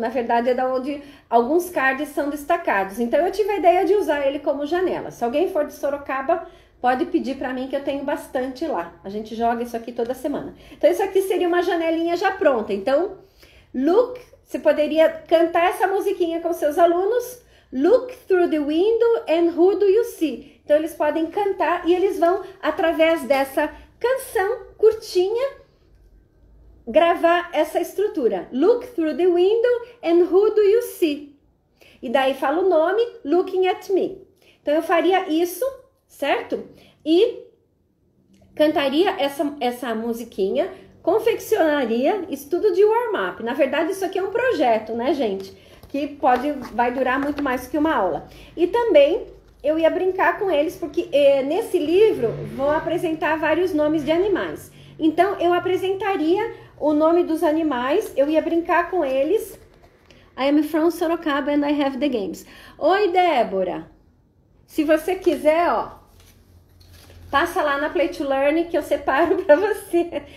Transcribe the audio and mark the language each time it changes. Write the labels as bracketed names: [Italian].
[Portuguese] Na verdade, é da onde alguns cards são destacados. Então, eu tive a ideia de usar ele como janela. Se alguém for de Sorocaba, pode pedir para mim que eu tenho bastante lá. A gente joga isso aqui toda semana. Então, isso aqui seria uma janelinha já pronta. Então, look, você poderia cantar essa musiquinha com seus alunos. [English] Look through the window and who do you see? [Portuguese] Então, eles podem cantar e eles vão, através dessa canção curtinha, gravar essa estrutura. [English] Look through the window and who do you see? [Portuguese] E daí fala o nome, [English] looking at me. [Portuguese] Então eu faria isso, certo? E cantaria essa musiquinha, confeccionaria estudo de warm-up. Na verdade, isso aqui é um projeto, né, gente? Vai durar muito mais que uma aula. E também eu ia brincar com eles, porque nesse livro vão apresentar vários nomes de animais. Então eu apresentaria o nome dos animais, eu ia brincar com eles. [English] I am from Sorocaba and I have the games. [Portuguese] Oi, Débora! Se você quiser, ó, passa lá na Play to Learn que eu separo para você.